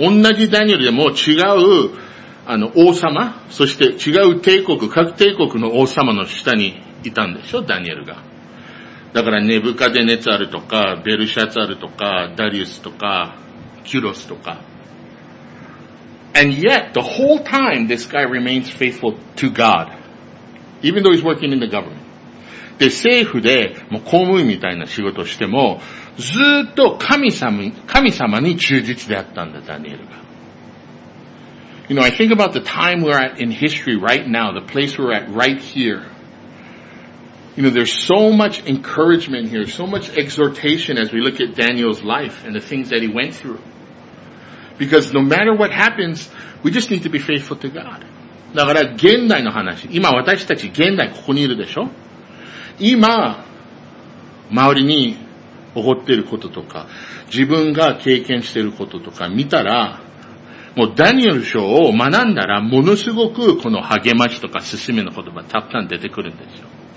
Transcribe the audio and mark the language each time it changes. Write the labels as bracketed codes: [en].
[ja] 同じダニエルでも違う王様、そして違う帝国、各帝国の王様の下にいたんでしょ、ダニエルが。だからネブカデネツァルとか、ベルシャツァルとか、ダリウスとか、キュロスとか。 [en] And yet, the whole time, this guy remains faithful to God. Even though he's working in the government. [ja] で、政府で、もう公務員みたいな仕事をしても、ずっと神様に忠実であったんだ、ダニエルが。 [en] You know, I think about the time we're at in history right now, the place we're at right here. You know, there's so much encouragement here, so much exhortation as we look at Daniel's life and the things that he went through. Because no matter what happens, we just need to be faithful to God. [ja] だから現代の話、今私たち現代ここにいるでしょ？今、周りに起こっていることとか、自分が経験していることとか見たら、もうダニエル書を学んだらものすごくこの励ましとか進めの言葉たくさん出てくるんですよ。